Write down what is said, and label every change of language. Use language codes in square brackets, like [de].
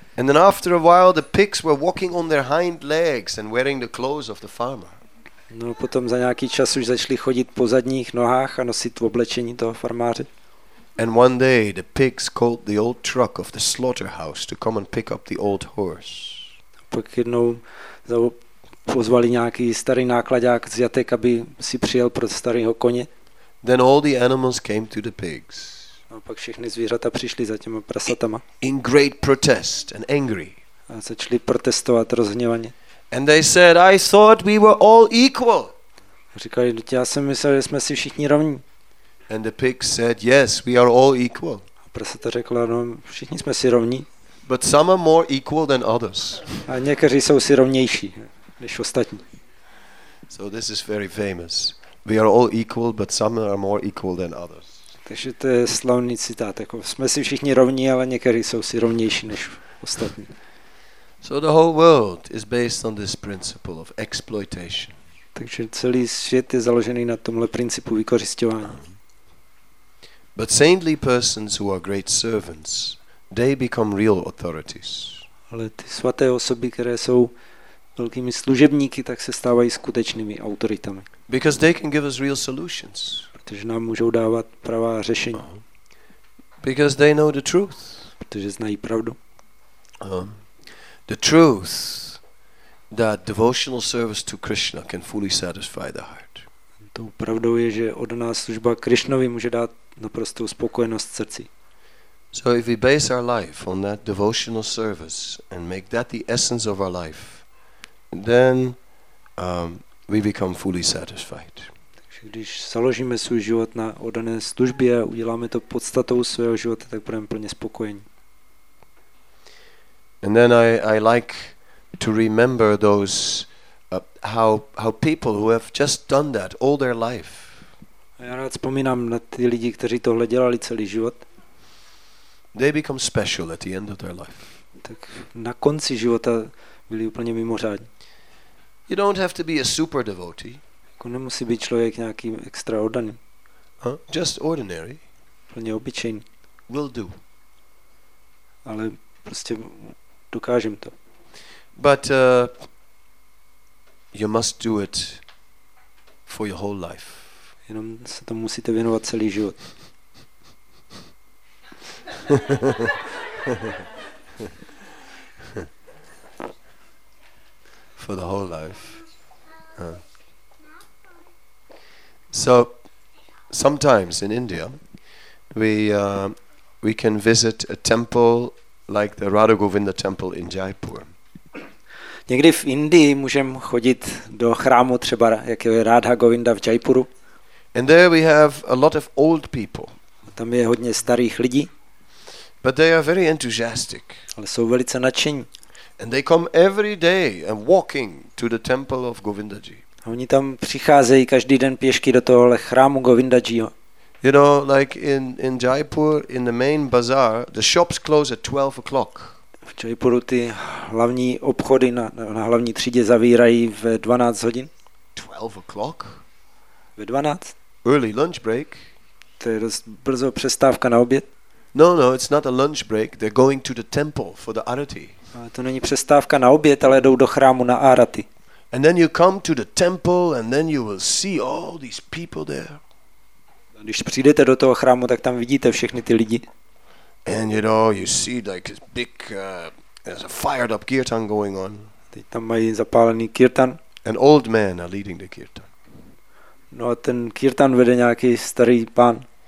[en] And then after a while the pigs were walking on their hind legs and wearing the clothes of the farmer. [cs] No potom za nějaký čas už začali chodit po zadních nohách a nosit oblečení toho farmáře. [en] And one day the pigs called the old truck of the slaughterhouse to come and pick up the old horse. [cs] Pak jednou pozvali nějaký starý nákladák z jatek, aby si přijel pro starého koně. [en] Then all the animals came to the pigs. [cs] A pak všechny zvířata přišli za těma prasatama. [en] In great protest and angry. [cs] A začali protestovat rozhněvaně. [en] And they said, I thought we were all equal. [cs] Říkali, já jsem myslel, že jsme si všichni rovní. [en] And the pig said, yes, we are all equal. [cs] A prasata řekla, no, všichni jsme si rovní. [en] But some are more equal than others. [cs] A někteří jsou si rovnější než ostatní. [en] So this is very famous. We are all equal, but some are more equal than others. [cs] Takže to je slavný citát, jako jsme si všichni rovní, ale někteří jsou si rovnější než ostatní. [en] So the whole world is based on this principle of exploitation. [cs] Takže celý svět je založený na tomhle principu vykořisťování. [en] But saintly persons who are great servants, they become real authorities. [cs] Ale ty svaté osoby, které jsou velkými služebníky, tak se stávají skutečnými autoritami. [en] Because they can give us real solutions. [cs] Protože nám můžou dávat pravá řešení. [en] Because they know the truth. [cs] Protože znají pravdu. [en] The truth that devotional service to Krishna can fully satisfy the heart. [cs] Tou pravdou je, že oddaná služba Krišnovi může dát naprostou spokojenost srdci. [en] So if we base our life on that devotional service and make that the essence of our life, then we become fully satisfied. [cs] Když založíme svůj život na oddané službě a uděláme to podstatou svého života, tak budeme plně spokojení. [en] And then I like to remember those how people who have just done that all their life. [cs] A já rád vzpomínám na ty lidi, kteří tohle dělali celý život. [en] They become special at the end of their life. [cs] Tak na konci života byli úplně mimořádní. [en] You don't have to be a super devotee. [cs] Nemusí být člověk nějaký extra oddaný. [en] Just ordinary. [cs] Plně obyčejný. [en] Will do. [cs] Ale prostě dokážem to. [en] But you must do it for your whole life. [cs] Jenom se tomu musíte věnovat celý život. [en] For the whole life. So sometimes in India we can visit a temple like the Radha Govinda temple in Jaipur. [cs] Někdy v Indii můžeme chodit do chrámu třeba jak je Radha Govinda v Jaipuru. [en] And there we have a lot of old people. [cs] Tam je hodně starých lidí. [en] But they are very enthusiastic. [cs] Ale jsou velice nadšení. [en] And they come every day and walking to the temple of Govindaji. [cs] A oni tam přicházejí každý den pěšky do tohohle chrámu Govindajiho. [en] You know, like in Jaipur, in the main bazaar, the shops close at 12 o'clock. [cs] V Jaipuru ty hlavní obchody na hlavní třídě zavírají ve 12 hodin. [en] 12 o'clock? [cs] Ve 12. [en] Early lunch break. [cs] To je dost brzo přestávka na oběd. [en] No, it's not a lunch break. They're going to the temple for the arati. [cs] To není přestávka na oběd, ale jdou do chrámu na arati. [en] And then you come to the temple and then you will see all these people there. [cs] Když přijdete do toho chrámu, tak tam vidíte všechny ty lidi. [en] And you know, you see like this big there's a fired up kirtan going on. [cs] Teď tam mají zapálený kirtan. [en] An old man are leading the kirtan. [cs] No a ten kirtan vede nějaký starý pán.